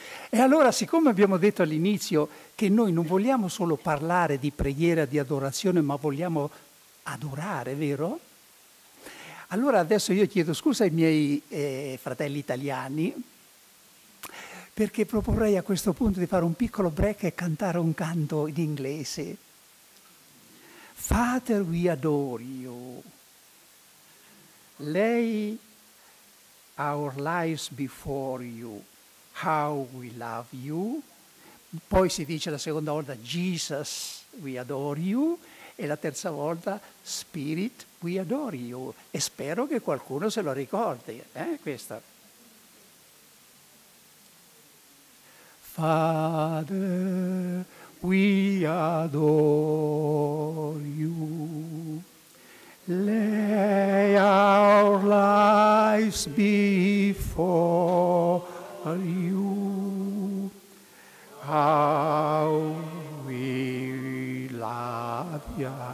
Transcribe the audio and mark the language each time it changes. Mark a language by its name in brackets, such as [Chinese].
[Italian] E allora, siccome abbiamo detto all'inizio che noi non vogliamo solo parlare di preghiera, di adorazione, ma vogliamo adorare, vero? Allora adesso io chiedo scusa ai miei fratelli italiani, perché proporrei a questo punto di fare un piccolo break e cantare un canto in inglese. [English] Father, we adore you. Lay our lives before you. How we love you. [Italian] Poi si dice la seconda volta, [English] Jesus, we adore you. [Italian] E la terza volta, [English] Spirit, we adore you. [Italian] E spero che qualcuno se lo ricordi, questa. [English] Father, we adore you, lay our lives before you, how we love you,